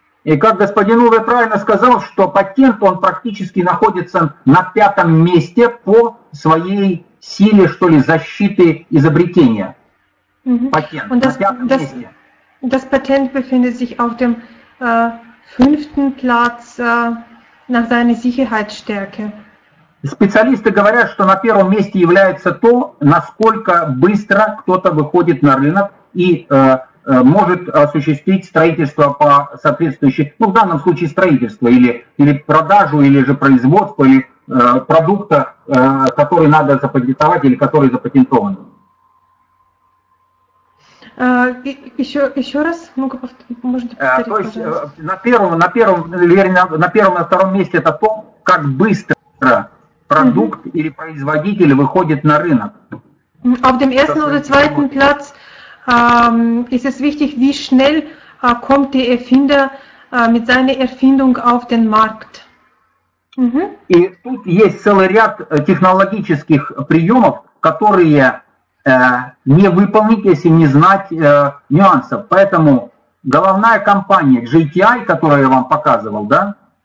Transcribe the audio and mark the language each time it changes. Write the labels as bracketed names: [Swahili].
[Russian] И как господин Уве правильно сказал, что патент, он практически находится на пятом месте по своей силе, что ли, защиты изобретения. Патент на пятом месте. [German] Das Patent befindet sich auf dem fünften Platz nach seiner Sicherheitsstärke. [Russian] Специалисты говорят, что на первом месте является то, насколько быстро кто-то выходит на рынок и может осуществить строительство по соответствующей, ну в данном случае строительство, или продажу, или же производство, или продукта, который надо запатентовать, или который запатентован. Еще раз, ну-ка, можете повторить, то есть, на первом, на втором месте это то, как быстро продукт или производитель выходит на рынок. А в первом или втором месте [German] ist es wichtig, wie schnell kommt der Erfinder mit seiner Erfindung auf den Markt. [Russian] И тут есть целый ряд технологических приемов, которые не выполнить, если не знать нюансов. Поэтому головная компания GTI, которую я вам показывал, да?